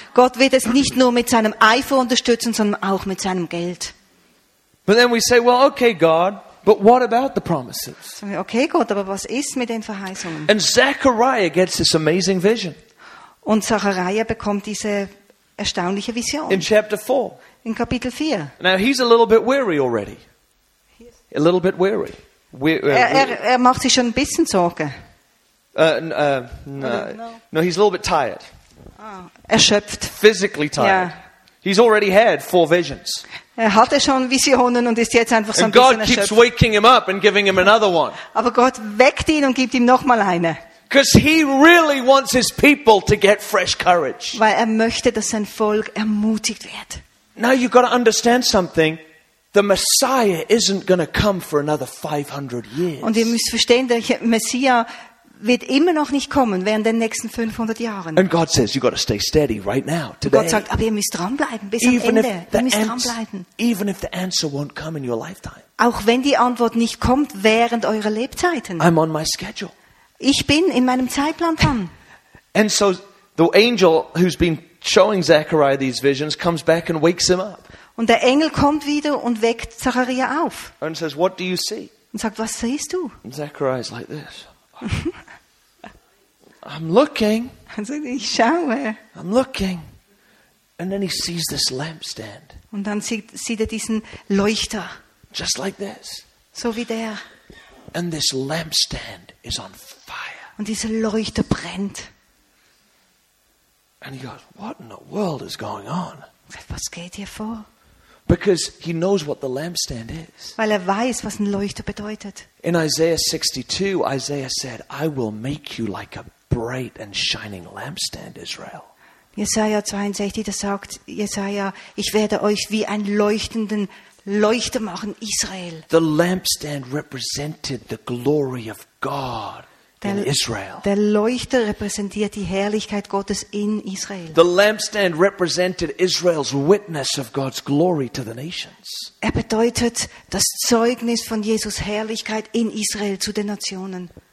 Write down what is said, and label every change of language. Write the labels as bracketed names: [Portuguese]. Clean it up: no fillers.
[German] Gott wird es nicht nur mit seinem Eifer unterstützen, sondern auch mit seinem Geld. [English] But then we say, "Well, okay, God, but what about the promises?" [German] Okay, Gott, aber was ist mit den Verheißungen? [English] And Zechariah gets this amazing vision. [German] Und Zechariah bekommt diese erstaunliche Vision. [English] In chapter 4. [German] In Kapitel 4. [English] Now he's a little bit weary already. A little bit weary. [German] Er macht sich schon ein bisschen Sorge. [English] No, he's a little bit tired. [German] Ah, erschöpft. [English] Physically tired. Yeah. He's already had 4 visions. [German] Er hatte schon Visionen und ist jetzt einfach so ein bisschen erschöpft. [English] And God keeps waking him up and giving him another one. [German] Aber Gott weckt ihn und gibt ihm noch mal eine. [English] Because he really wants his people to get fresh courage. [German] Weil er möchte, dass sein Volk ermutigt wird. [English] Now you've got to understand something. The Messiah isn't going to come for another 500 years. [German] Und ihr müsst verstehen, der Messias wird immer noch nicht kommen während den nächsten 500 Jahren. [English] And God says, "You got to stay steady right now, today." [German] Gott sagt, aber ihr müsst dranbleiben bis am Ende. Ihr müsst dranbleiben. [English] Even if the answer won't come in your lifetime. [German] Auch wenn die Antwort nicht kommt während eurer Lebzeiten. [English] I'm on my schedule. [German] Ich bin in meinem Zeitplan dran. [English] And so the angel who's been showing Zechariah these visions comes back and wakes him up. [German] Und der Engel kommt wieder und weckt Zachariah auf. [English] And says, "What do you see?" [German] Und sagt, was siehst du? [English] And Zechariah is like this. I'm looking. [German] Also ich schaue. [English] I'm looking. And then he sees this lampstand. [German] Und dann sieht er diesen Leuchter. [English] Just like this. [German] So wie der. [English] And this lampstand is on fire. [German] Und dieser Leuchter brennt. [English] And he goes, "What in the world is going on?" [German] Was geht hier vor? [English] Because he knows what the lampstand is. [German] Weil er weiß, was ein Leuchter bedeutet. [English] In Isaiah 62, Isaiah said, "I will make you like a bright and shining lampstand, Israel." [German] Jesaja 62, da sagt Jesaja, ich werde euch wie einen leuchtenden Leuchter machen, Israel. [English] The lampstand represented the glory of God in Israel. [German] Der Leuchter repräsentiert die Herrlichkeit Gottes in Israel. [English] The lampstand represented Israel's witness of God's glory to the nations. [German] Er bedeutet das Zeugnis von Jesus Herrlichkeit in Israel zu den Nationen.